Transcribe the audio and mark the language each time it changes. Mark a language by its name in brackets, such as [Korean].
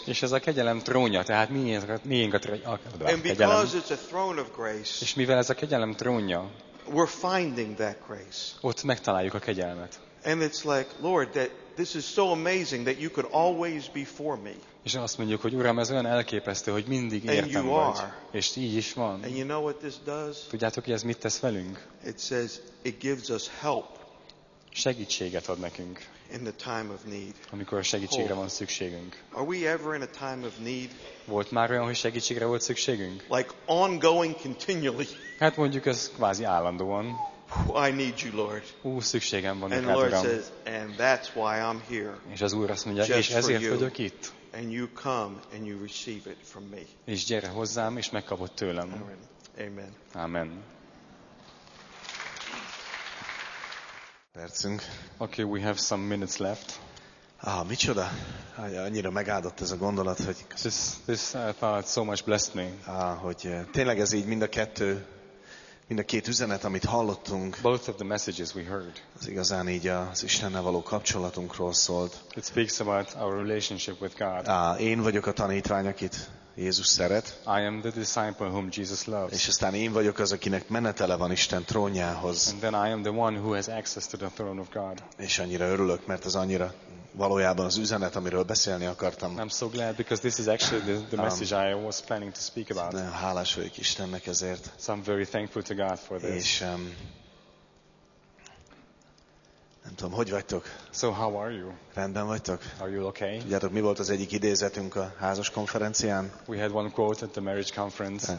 [Hungarian] És ez a kegyelem trónja, tehát miénk a kegyelem. [English] And because it's a throne of grace. [Hungarian] És mivel ez a kegyelem trónja. [English] We're finding that grace. [Hungarian] Ott megtaláljuk a kegyelmet. [English] And it's like, Lord, that this is so amazing that you could always be for me. [Hungarian] És azt mondjuk, hogy Uram, ez olyan elképesztő, hogy mindig értem [English] and you [Hungarian] vagy. [English] Are. [Hungarian] És így is van. [English] And you know what this does? [Hungarian] Tudjátok, hogy ez mit tesz velünk? [English] It says it gives us help. [Hungarian] Segítséget ad nekünk. [English] In the time of need. [Hungarian] Amikor segítségre van szükségünk. [English] Are we ever in a time of need? [Hungarian] Volt már olyan, hogy segítségre volt szükségünk? [English] Like ongoing continually. [Hungarian] Hát mondjuk ez kvázi állandóan. [English] I need you, Lord. [Hungarian] Szükségem van neked, Uram. [English] And Lord says, and that's why I'm here. [Hungarian] És az Úr azt mondja, és ezért vagyok itt. [English] And you come and you receive it from me. [Hungarian] És gyere hozzám, és megkapod tőlem. Amen. Amen. Percünk. [English] Okay, we have some minutes left. [Hungarian] Ah, micsoda? Annyira megáldott ez a gondolat, hogy [English] this thought so much blessed me. [Hungarian] Hogy tényleg ez így mind a két üzenet, amit hallottunk. [English] Both of the messages we heard. [Hungarian] Az igazán így az Istennel való kapcsolatunkról szólt. [English] It speaks about our relationship with God. [Hungarian] Én vagyok a tanítvány, akit Jézus szeret. [English] I am the disciple whom Jesus loves. [Hungarian] És aztán én vagyok az, akinek menetele van Isten trónjához. [English] And then I am the one who has access to the throne of God. [Hungarian] És annyira örülök, mert az annyira valójában az üzenet, amiről beszélni akartam. [English] I'm so glad because this is actually the message I was planning to speak about. [Hungarian] Nagyon hálás vagyok Istennek ezért. [English] So I'm very thankful to God for this. [Hungarian] És nem tudom, hogy vagytok? [English] So how are you? [Hungarian] Rendben vagytok? [English] Are you okay? [Hungarian] Tudjátok, mi volt az egyik idézetünk a házas konferencián? [English] We had one quote at the marriage conference.